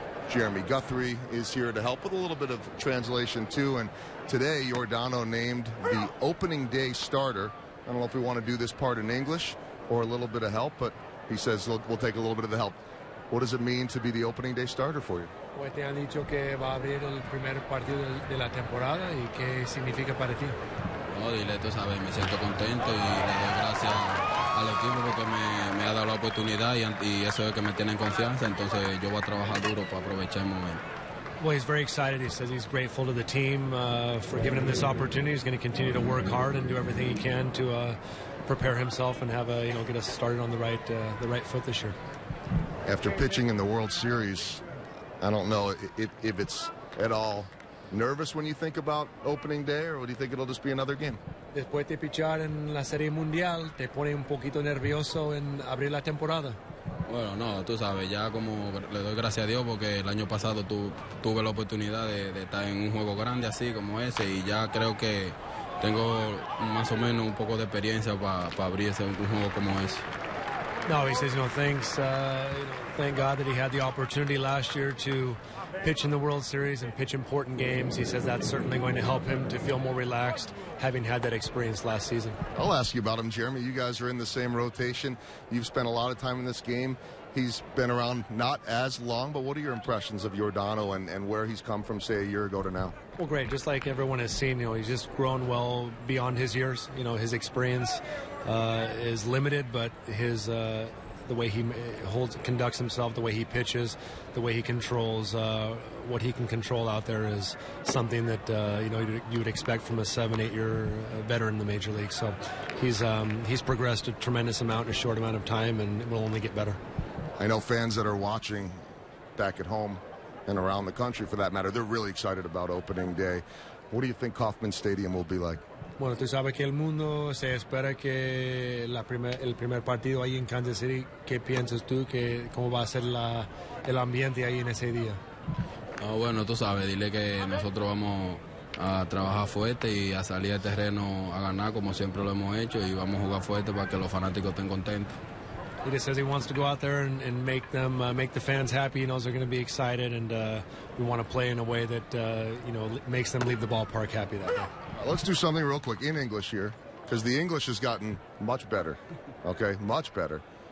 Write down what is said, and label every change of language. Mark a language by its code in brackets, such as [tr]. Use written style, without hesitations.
[en] Jeremy Guthrie is here to help with a little bit of translation, too. And today, Yordano named the opening day starter. I don't know if we want to do this part in English or a little bit of help, but he says we'll take a little bit of the help. What does it mean to be the opening day starter for you? [es] Pues te han dicho que va a abrir el primer partido de la temporada y qué significa para ti. No, dile, tú sabes, me siento contento y le doy gracias al equipo porque me ha dado la oportunidad y eso es que me tienen confianza, entonces yo voy a trabajar duro para aprovechar el momento. [en] Well, he's very excited. He says he's grateful to the team for giving him this opportunity. He's going to continue to work hard and do everything he can to prepare himself and have a, you know, get us started on the right foot this year. After pitching in the World Series, I don't know if it's at all nervous when you think about opening day, or do you think it'll just be another game? [es] Después de pichar en la Serie Mundial, te pone un poquito nervioso en abrir la temporada. Bueno, no, tú sabes, ya como le doy gracias a Dios porque el año pasado tuve la oportunidad de estar en un juego grande así como ese y ya creo que tengo más o menos un poco de experiencia para abrir ese un juego como ese. [en] No, he says, no, thanks. Thank God that he had the opportunity last year to pitch in the World Series and pitch important games. He says that's certainly going to help him to feel more relaxed, having had that experience last season. I'll ask you about him, Jeremy. You guys are in the same rotation. You've spent a lot of time in this game. He's been around not as long, but what are your impressions of Yordano and where he's come from, say, a year ago to now? Well, great. Just like everyone has seen, you know, he's just grown well beyond his years. You know, his experience is limited, but his the way he conducts himself, the way he pitches, the way he controls what he can control out there is something that you know, you would expect from a 7-8 year veteran in the major league. So he's progressed a tremendous amount in a short amount of time, and will only get better. I know fans that are watching back at home and around the country, for that matter, they're really excited about opening day. What do you think Kauffman Stadium will be like? [es] Bueno, tú sabes que el mundo se espera que el primer partido ahí en Kansas City, ¿qué piensas tú? Que, ¿cómo va a ser el ambiente ahí en ese día? Bueno, tú sabes, dile que nosotros vamos a trabajar fuerte y a salir al terreno a ganar como siempre lo hemos hecho y vamos a jugar fuerte para que los fanáticos estén contentos. [en] He just says he wants to go out there and make them make the fans happy. He knows they're going to be excited, and we want to play in a way that you know, makes them leave the ballpark happy that day. Let's do something real quick in English here, because the English has gotten much better, okay, much better.